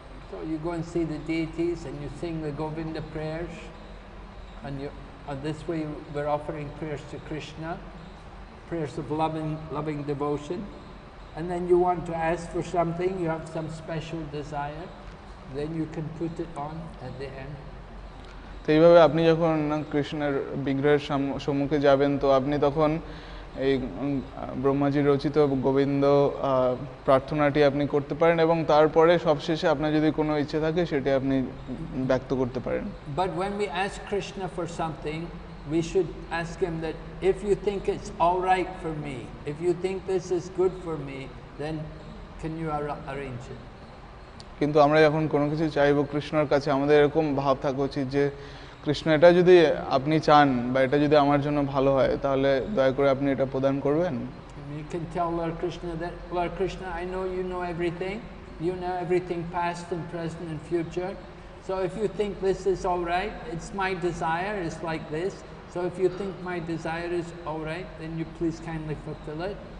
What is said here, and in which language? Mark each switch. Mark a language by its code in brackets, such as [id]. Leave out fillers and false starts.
[en] So you go and see the deities and you sing the Govinda prayers and you, this way we're offering prayers to Krishna, prayers of loving devotion. And then you want to ask for something, you have some special desire, then you can put it on at the end. [bn] তো এইভাবে আপনি যখন কৃষ্ণের বিগ্রহের সম্মুখে যাবেন তো আপনি তখন এই ব্রহ্মাজির রচিত গোবিন্দ প্রার্থনাটি আপনি করতে পারেন এবং তারপরে সবশেষে আপনার যদি কোনো ইচ্ছে থাকে সেটি আপনি ব্যক্ত করতে পারেন। [en] But when we ask Krishna for something, we should ask him that if you think it's all right for me, if you think this is good for me, then can you arrange it? [bn] কিন্তু আমরা যখন কোনো কিছু চাইব কৃষ্ণের কাছে আমাদের এরকম ভাব থাকা উচিত যে কৃষ্ণ এটা যদি আপনি চান বা এটা যদি আমার জন্য ভালো হয় তাহলে দয়া করে আপনি এটা প্রদান করবেন। [en] You can tell Lord Krishna that, Lord Krishna, I know you know everything. You know everything past and present and future. So if you think this is all right, it's my desire, it's like this. So if you think my desire is all right, then you please kindly fulfill it.